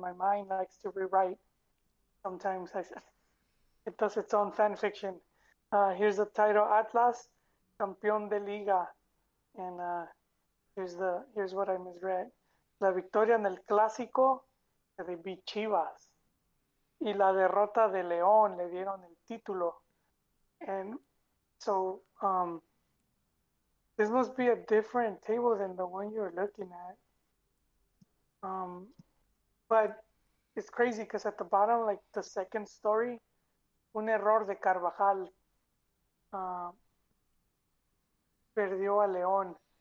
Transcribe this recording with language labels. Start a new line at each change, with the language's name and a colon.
English: My mind likes to rewrite. Sometimes it does its own fan fiction. Here's the title: Atlas,
Spanish: Campeón de Liga.
English: And here's what I misread:
Spanish: La victoria en el clásico de Chivas. Y la derrota de León le dieron el título.
English: And so this must be a different table than the one you're looking at. But it's crazy because at the bottom, like the second story,
Spanish: un error de Carvajal perdió a León.